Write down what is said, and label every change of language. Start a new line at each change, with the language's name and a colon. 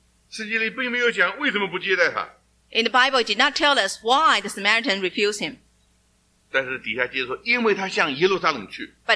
Chinese: 圣经里并没有讲为什么不接待他。
English: In the Bible, it did not tell us why the Samaritan refused him.
Chinese: 但是底下接着说，因为他向耶路撒冷去。
English: But